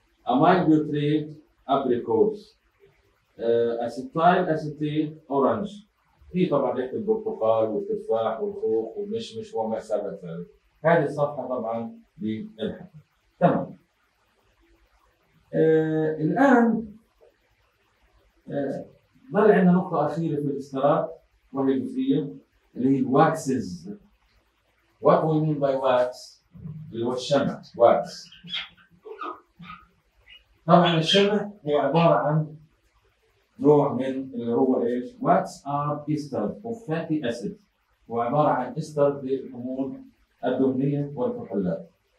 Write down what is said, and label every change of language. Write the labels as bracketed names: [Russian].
[Arabic] امايل بيوتريت ابريكوز. اسيتايل اسيتيت اورانج، في طبعا ريحه البرتقال والتفاح والخوخ والمشمش وما شابه ذلك. هذه الصفحه طبعا للحكم، تمام. الان ظل عندنا نقطة أخيرة في الاستراد وهي الجزئية اللي هي الواكسز. [English] What we mean by wax؟ [Arabic] اللي هو الشمع، واكس. طبعا الشمع هو عبارة عن نوع من اللي هو ايش؟ [English] wax are ester of fatty acid, [Arabic] هو عبارة عن ايستر للحمول الدهنية والكحولات.